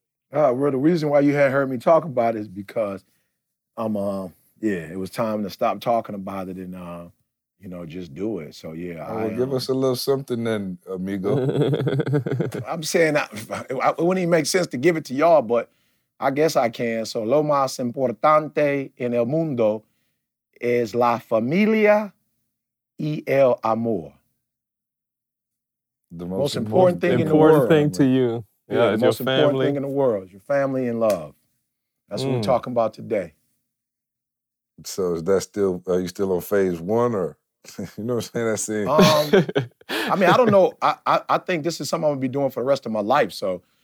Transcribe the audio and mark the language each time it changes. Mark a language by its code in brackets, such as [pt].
[en] Well, the reason why you hadn't heard me talk about it is because it was time to stop talking about it and just do it. So yeah. Give us a little something then, amigo. I'm saying it wouldn't even make sense to give it to y'all, but I guess I can. [es] So lo más importante en el mundo es la familia y el amor. [en] The most important thing in the world, to you. Yeah, the most important thing in the world is your family and love. That's what we're talking about today. So is that still, are you still on phase one or, you know what I'm saying? I mean, I don't know. I think this is something I'm going to be doing for the rest of my life. So